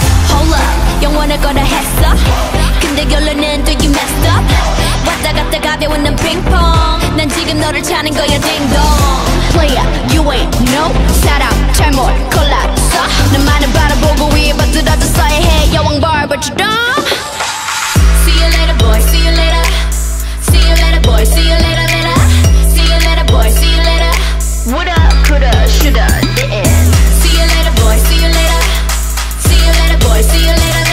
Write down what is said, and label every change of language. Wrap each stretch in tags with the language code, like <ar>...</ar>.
<ko>Hold up, 영원할 거라 했어.</ko> <en>근데 결론은 do you messed up.</en> <ko>왔다 갔다 가벼운 난 빙퐁. 난 지금 너를 찾는 거야 딩동.</ko> <en>Player, you ain't no 사람 잘못 골랐어.</en> <ko>너만을 바라보고 위에 받들어졌어야 해. 여왕 벌벌처럼.</ko> <en>See you later boy, see you later. See you later boy, see you later later. See you later boy, see you later. What up, coulda, shoulda, didn't. See you later boy, see you later. See you later boy, see you later.</en>